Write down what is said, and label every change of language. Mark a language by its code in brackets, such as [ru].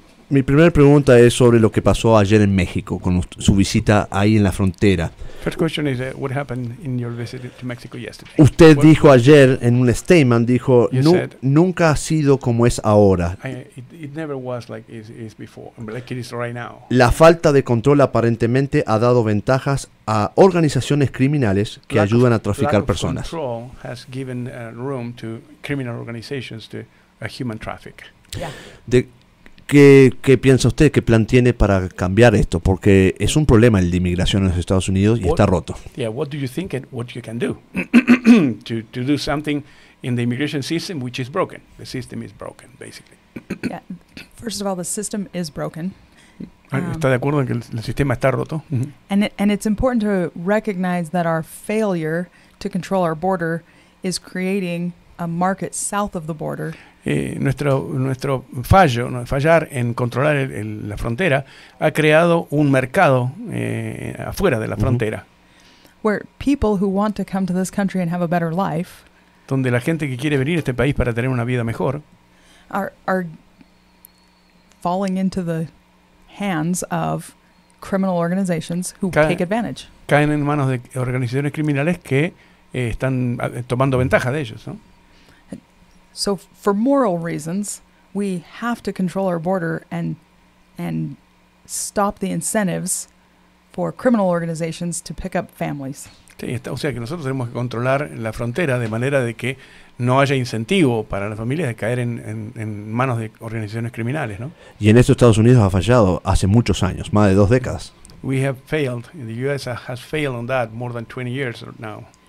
[es] Mi primera pregunta es sobre lo que pasó ayer en México con su visita ahí en la frontera. [en] First question is what happened in your visit to Mexico yesterday. [es] Usted what dijo ayer en un statement dijo nunca ha sido como es ahora. [en] It never was like is before, like it is right now. [es] La falta de control aparentemente ha dado ventajas a organizaciones criminales que ayudan a traficar personas. [en] Lack of control has given room to criminal organizations to human traffic. [es] ¿Qué piensa usted? ¿Qué plan tiene para cambiar esto? Porque es un problema el de inmigración en los Estados Unidos y está roto. [en] Yeah, what do you think and what you can do to do something in the immigration system which is broken? The system is broken, basically. Yeah, first of all, the system is broken. [es] ¿Está de acuerdo en que el sistema está roto? [en] And it's important to recognize that our failure to control our border is creating a market south of the border. [es] Nuestro fallo, fallar en controlar la frontera, ha creado un mercado afuera de la frontera. [en] Where people who want to come to this country and have a better life. [es] Donde la gente que quiere venir a este país para tener una vida mejor. [en] Are falling into the hands of criminal organizations who take advantage. [es] Caen en manos de organizaciones criminales que están tomando ventaja de ellos, ¿no? [en] So for moral reasons, we have to control our border and stop the incentives for criminal organizations to pick up families. [es] Sí, o sea que nosotros tenemos que controlar la frontera de manera de que no haya incentivo para las familias de caer en manos de organizaciones criminales, ¿no? Y en eso Estados Unidos ha fallado hace muchos años, más de dos décadas. [en] We have failed. The U.S. has failed on that more than 20 years now.